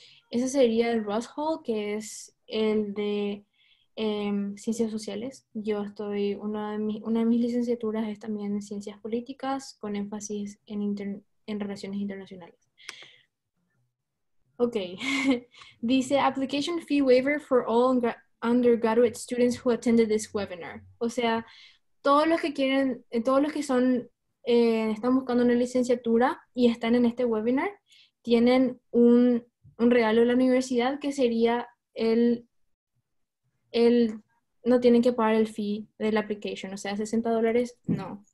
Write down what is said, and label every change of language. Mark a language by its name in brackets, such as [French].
[Spanish] Ese sería el Ross Hall, que es el de ciencias sociales. Yo estoy, una de mis licenciaturas es también en ciencias políticas, con énfasis en relaciones internacionales. Ok. Dice, [English] application fee waiver for all undergraduate students who attended this webinar. [Spanish] O sea, todos los que quieren, todos los que son, están buscando una licenciatura y están en este webinar, tienen un regalo de la universidad, que sería el no tienen que pagar el fee de la application, o sea, $60, no.